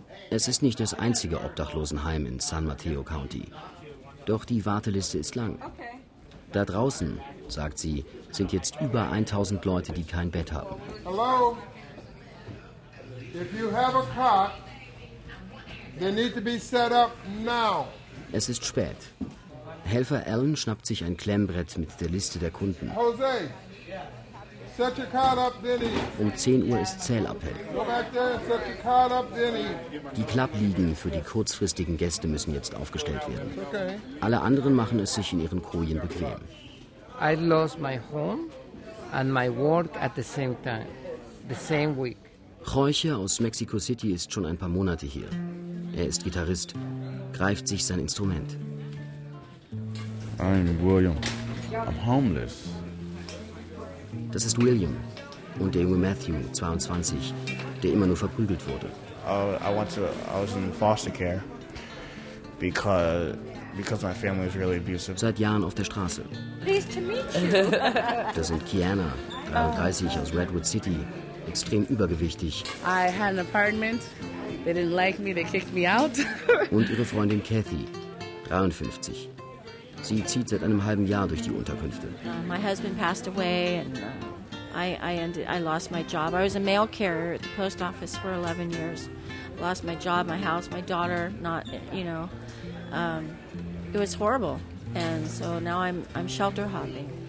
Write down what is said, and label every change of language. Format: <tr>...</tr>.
<de>Es ist nicht das einzige Obdachlosenheim in San Mateo County. Doch die Warteliste ist lang. Da draußen, sagt sie, sind jetzt über 1000 Leute, die kein Bett haben. Hallo?</de> <en>If you have a cot, they need to be set up now.</en> <de>Es ist spät. Helfer Alan schnappt sich ein Klemmbrett mit der Liste der Kunden.</de> <en>Jose, set your cot up, Denny.</en> <de>Um 10 Uhr ist Zählappell.</de> <en>Go back there, set your cot up, Denny.</en> <de>Die Klappliegen für die kurzfristigen Gäste müssen jetzt aufgestellt werden.</de> <en>Okay.</en> <de>Alle anderen machen es sich in ihren Kojen bequem.</de> <en>I lost my home and my work at the same time, the same week.</en> <de>Jorge aus Mexico City ist schon ein paar Monate hier. Er ist Gitarrist, greift sich sein Instrument.</de> <en>I'm William. I'm homeless.</en> <de>Das ist William und der junge Matthew, 22, der immer nur verprügelt wurde.</de> <en>I was in foster care because my family is really abusive.</en> <de>Seit Jahren auf der Straße.</de> <en>Pleased to meet you.</en> <de>Das sind Kiana, 33, aus Redwood City, extrem übergewichtig.</de> <en>I had an apartment. They didn't like me, they kicked me out.</en> <de>Und ihre Freundin Kathy, 53. Sie zieht seit einem halben Jahr durch die Unterkünfte.</de> <en>My husband passed away and I lost my job. I was a mail carrier at the post office for 11 years. Lost my job, my house, my daughter, it was horrible. And so now I'm shelter hopping.</en>